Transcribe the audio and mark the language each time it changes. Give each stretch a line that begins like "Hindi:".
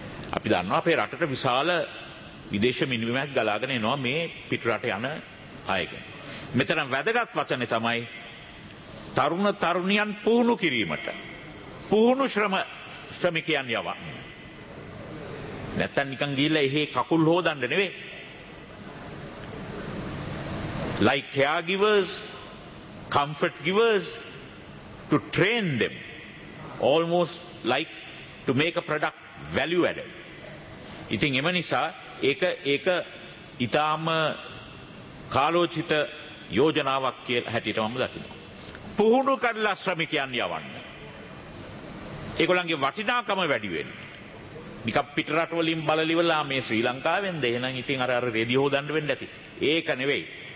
Sinhala: අපි දන්නවා අපේ රටට විශාල විදේශ මිනිමැක් ගලාගෙන එනවා මේ පිටරට යන අයක. මෙතන වැදගත් වචනේ තමයි තරුණ තරුණියන් පුහුණු කිරීමට පුහුණු ශ්‍රමිකයන් යවා. නැත්තම් නිකන් ගිහිල්ලා එහෙ කකුල් හොදන්න නෙවෙයි.
English: Like caregivers, comfort givers, to train them, almost like to make a product value added.
Sinhala: ඉතින් එම නිසා ඒක ඉතාම කාලෝචිත යෝජනාවක් කියලා හැටියට මම දකිනවා. පුහුණු කරලා ශ්‍රමිකයන් යවන්න. ඒගොල්ලන්ගේ වටිනාකම වැඩි වෙන්නේ. නිකන් පිටරටවලින් බලලිවලා මේ ශ්‍රී ලංකාවෙන්ද, එහෙනම් ඉතින් අර රෙදි හොදන්න වෙන්න ඇති. ඒක නෙවෙයි.